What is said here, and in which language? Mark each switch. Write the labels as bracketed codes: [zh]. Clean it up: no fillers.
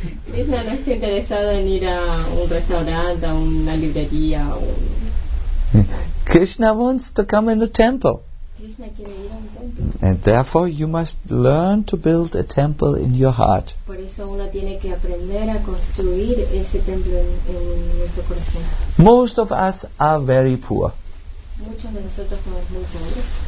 [es] Krishna no está interesado en ir a un restaurante, a una librería, o [en] Krishna wants to come in a temple. [es] Krishna quiere ir a un templo. [en] And therefore you must learn to build a temple in your heart. [es] Por eso uno tiene que aprender a construir ese templo en nuestro corazón. [en] Most of us are very poor. [es] Muchos de nosotros somos muy pobres.